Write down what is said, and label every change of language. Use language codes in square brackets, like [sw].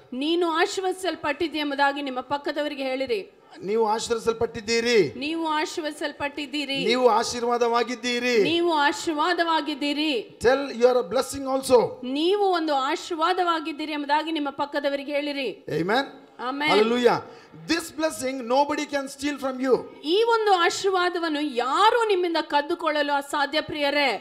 [kn] ನೀನು ಆಶೀರ್ವದಿಸಲ್ಪಟ್ಟಿದ್ದೀ ಎಂಬುದಾಗಿ ನಿಮ್ಮ ಪಕ್ಕದವರಿಗೆ ಹೇಳಿರಿ ನೀವು ಆಶೀರ್ವಿಸಲ್ಪಟ್ಟಿದ್ದೀರಿ ನೀವು ಆಶೀರ್ವಿಸಲ್ಪಟ್ಟಿದ್ದೀರಿ ನೀವು ಆಶೀರ್ವಾದವಾಗಿದ್ದೀರಿ ನೀವು ಆಶೀರ್ವಾದವಾಗಿದ್ದೀರಿ [en] tell you are a blessing also [kn] ನೀವು ಒಂದು ಆಶೀರ್ವಾದವಾಗಿದ್ದೀರಿ ಎಂಬುದಾಗಿ ನಿಮ್ಮ ಪಕ್ಕದವರಿಗೆ ಹೇಳಿರಿ amen amen [en] Hallelujah This blessing nobody can steal from you. [kn] ಈ ಒಂದು ಆಶೀರ್ವಾದವನ್ನು ಯಾರು ನಿಮ್ಮಿಂದ ಕದ್ದುಕೊಳ್ಳಲು ಅಸಾಧ್ಯ ಪ್ರಿಯರೇ